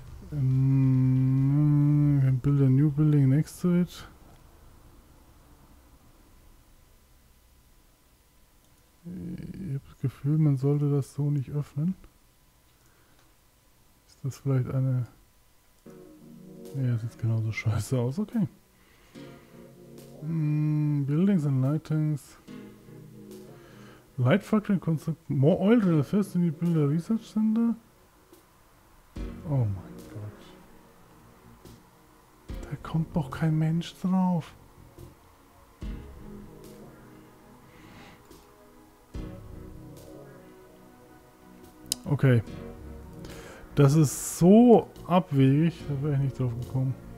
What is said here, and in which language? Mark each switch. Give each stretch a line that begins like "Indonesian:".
English: Can build a new building next to it.
German: Ich habe das Gefühl, man sollte das so nicht öffnen. Ist das vielleicht eine. Ja, sieht genauso scheiße aus, okay.
English: Buildings and lightings. Light factory construct. More oil drill first in the builder research center.
German: Oh mein Gott. Da kommt doch kein Mensch drauf. Okay. Das ist so abwegig, da wäre ich nicht drauf gekommen.